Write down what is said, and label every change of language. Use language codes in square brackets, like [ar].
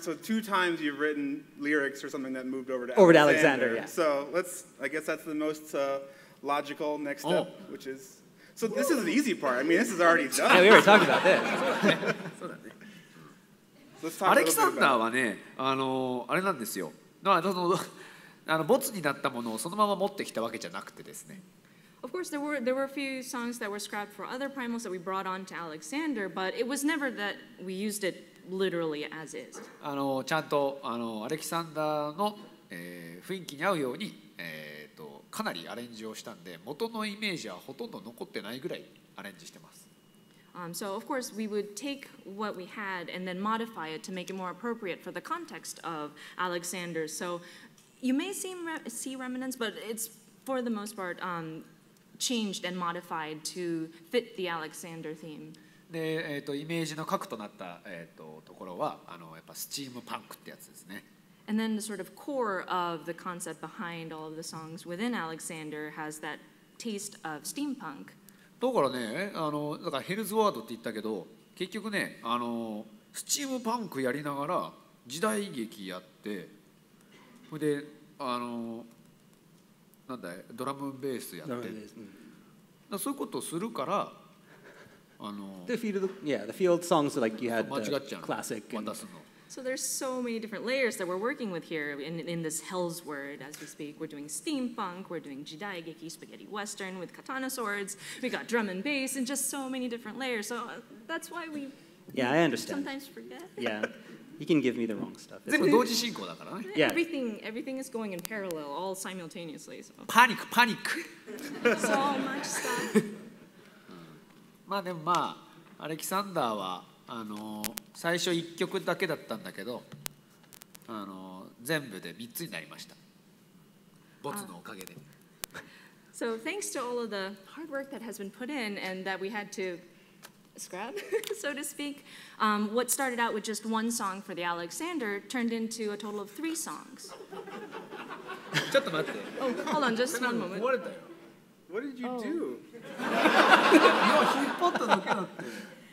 [en] So two times you've written lyrics for something that moved over to Alexander. Yeah. So I guess that's the most logical next step, which is... So this is the easy part. I mean, this is already done. Yeah, we already talked about this. So let's talk a little bit about it. [ja] ボツになったものをそのまま持ってきたわけじゃなくてですね。 [en] Of course, there were a few songs that were scrapped for other primals that we brought on to Alexander, but it was never that we used it literally as is. [ja] ちゃんとアレキサンダーの、雰囲気に合うように、かなりアレンジをしたんで、元のイメージはほとんど残ってないぐらいアレンジしてます。 [en] So of course we would take what we had and then modify it to make it more appropriate for the context of Alexander. So,You may see remnants, but it's for the most part changed and modified to fit the Alexander theme. [ja] で、イメージの核となった、ところはやっぱスチームパンクってやつですね。 [en] And then the sort of core of the concept behind all of the songs within Alexander has that taste of steampunk. [ja] だからね、だからヘルズワードって言ったけど、結局ね、スチームパンクやりながら時代劇やって、それで、あの、なんだい、ドラムベースやって、だそういうことをするから、あの、 [en] the field, yeah, the field songs like you had the classic and... So there's so many different layers that we're working with here in this Hell's Word as we speak. We're doing steampunk, we're doing jidai geki, spaghetti western with katana swords. We got drum and bass and just so many different layers. So that's why we yeah, I understand. Sometimes forget. Yeah, you can give me the wrong stuff. Everything is going in parallel, all simultaneously. So. Panic, panic. So much stuff. [ja] Alexander wa. あの最初1曲だけだったんだけど、あの全部で3つになりました。ボツのおかげで。 [en] So thanks to all of the hard work that has been put in and that we had to scrap, so to speak, what started out with just one song for the Alexander turned into a total of three songs. [ja] ちょっと待って。 [en] Oh, hold on, just one moment. [ja] 壊れたよ。 [en] What did you do? [ja] もう引っ張っただけだって。